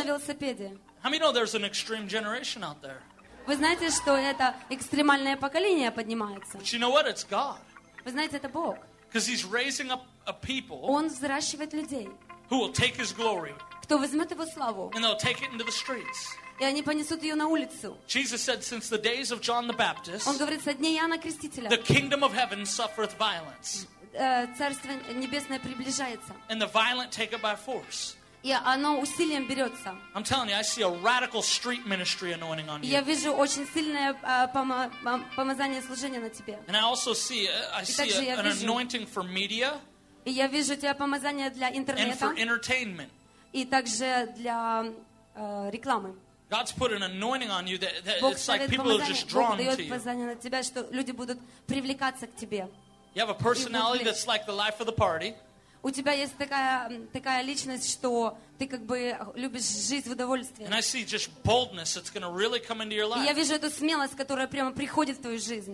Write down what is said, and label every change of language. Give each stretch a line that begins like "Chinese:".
English: How many know there's an extreme generation out there?
Russian: Вы знаете, что это экстремальное поколение поднимается.
English: But you know what? It's God.
Russian: Вы знаете, это Бог.
English: Because He's raising up a people.
Russian: Он взращивает людей.
English: Who will take His glory?
Russian: Кто возьмет Его славу?
English: And they'll take it into the streets.
Russian: И они понесут ее на улицу.
English: Jesus said, since the days of John the Baptist,
Russian: он говорит, со дней Иоанна Крестителя,
English: the kingdom of heaven suffereth violence.
Russian: Царство небесное приближается.
English: And the violent take it by force.
Russian: И оно усилием берется.
English: I'm telling you, I see a radical street ministry anointing on you.
Russian: Я вижу очень сильное помазание служения на тебе.
English: And I also see, an anointing for media.
Russian: И я вижу тебя помазание для интернета.
English: And for entertainment.
Russian: И также для рекламы.
English: God's put an anointing on you that it's like people are just drawn to you.
Russian: Бог дает помазание на тебя, что люди будут привлекаться к тебе.
English: You have a personality that's like the life of the party.
Russian: У тебя есть такая личность, что ты как бы любишь жить в удовольствии.
English: And I see just boldness that's going to really come into your life.
Russian: Я вижу эту смелость, которая прямо приходит в твою жизнь.